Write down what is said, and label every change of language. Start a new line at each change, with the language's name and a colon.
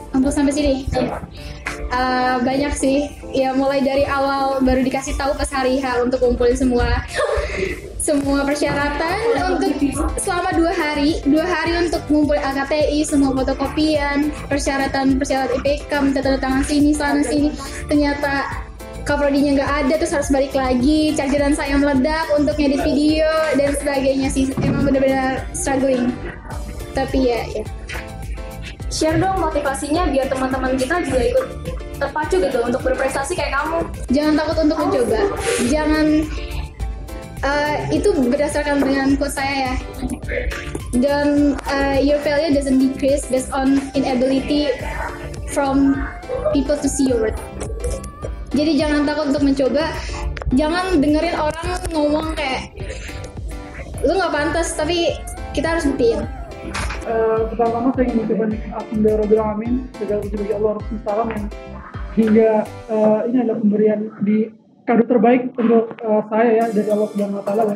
Indonesian: Untuk sampai sini. Banyak sih, ya mulai dari awal baru dikasih tahu pas hari H untuk kumpulin semua semua persyaratan untuk selama 2 hari untuk ngumpulin AKTI, semua fotokopian, persyaratan IPK, minta tanda tangan sini, sana sini, ternyata kaprodinya nggak ada, terus harus balik lagi, chargeran saya meledak untuk ngedit video dan sebagainya sih, emang benar-benar struggling, tapi ya. Share dong motivasinya biar teman-teman kita juga ikut terpacu gitu untuk berprestasi kayak kamu. Jangan takut untuk mencoba. Jangan itu berdasarkan dengan quote saya ya.
English: Dan your failure doesn't decrease based on inability from people to see your worth.
Indonesian: Jadi jangan takut untuk mencoba. Jangan dengerin orang ngomong kayak lu nggak pantas, tapi kita harus buktiin. Pertama-tama saya ingin mengucapkan alhamdulillah amin segala puji bagi Allah Rasul Salam yang hingga ini adalah pemberian di kado terbaik untuk saya ya dari Allah Subhanahu Wa Taala.